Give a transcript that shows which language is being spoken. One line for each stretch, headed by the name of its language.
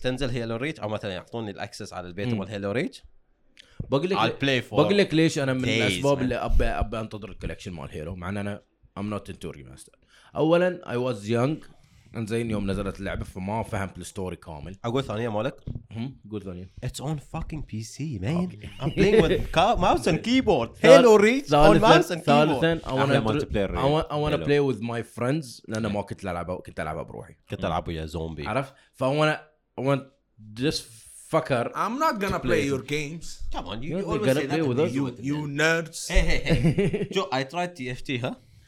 Arabic: تنزل هيلو ريتش أو مثلا يعطوني الأكسس على البيتا مال هيلو ريتش بقلك ليش أنا من الأسباب اللي أبى أنتظر الكوليكشن مال هيلو مع أن أنا
English: I'm not into remaster
Arabic: أولا
English: I was young
Arabic: انزين يوم نزلت اللعبة فما فهمت الستوري كامل اقول ثانية مالك قول ثانية
English: it's on fucking PC man I'm playing with mouse and keyboard Halo Reach on mouse and keyboard I wanna play with my friends
Arabic: لان ما كنت لعبة كنت لعبة بروحي كنت لعبة يا زومبي عرف فأنا
English: this fucker I'm not gonna play your games come on you always gonna play with you nerds hey I tried TFT ها